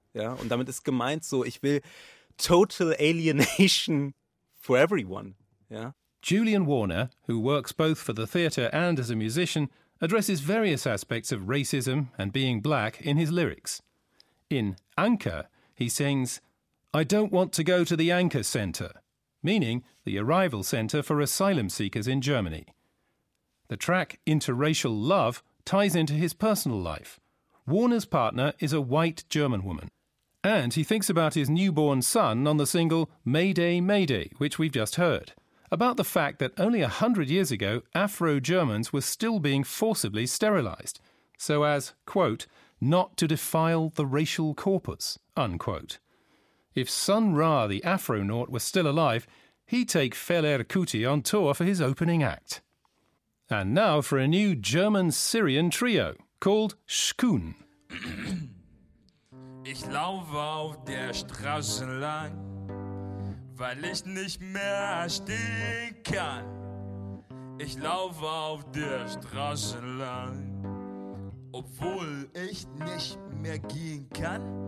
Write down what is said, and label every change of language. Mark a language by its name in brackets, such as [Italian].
[German] Ja, und damit ist gemeint so, ich will [English] total alienation for everyone. [German] Ja. [English] Julian Warner, who works both for the theatre and as a musician, addresses various aspects of racism and being black in his lyrics. In Anker, he sings, I don't want to go to the Anker Centre, meaning the arrival centre for asylum seekers in Germany. The track Interracial Love ties into his personal life. Warner's partner is a white German woman. And he thinks about his newborn son on the single Mayday, Mayday, which we've just heard, about the fact that only 100 years ago, Afro-Germans were still being forcibly sterilised, so as, quote, not to defile the racial corpus, unquote. If Sun Ra, the Afro-naut, were still alive, he'd take Fele Rikuti on tour for his opening act. And now for a new German-Syrian trio called Schkun. [German] Ich laufe auf der Straße lang, weil ich nicht mehr stehen kann. Ich laufe auf der Straße lang, obwohl ich nicht mehr gehen kann.